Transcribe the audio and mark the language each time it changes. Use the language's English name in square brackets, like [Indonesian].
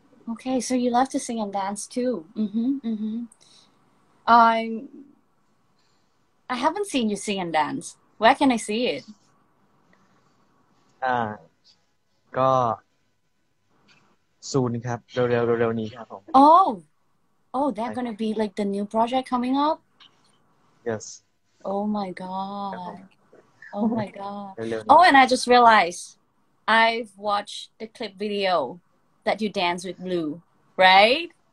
[English] Okay, so you love to sing and dance too. I haven't seen you sing and dance. Where can I see it? [Thai] ก็ซูนครับเร็วๆเร็วๆนี้ครับผม [English] oh that's gonna be like the new project coming up yes oh my god oh my god oh and I just realized I've watched the clip video that you dance with Blue, right?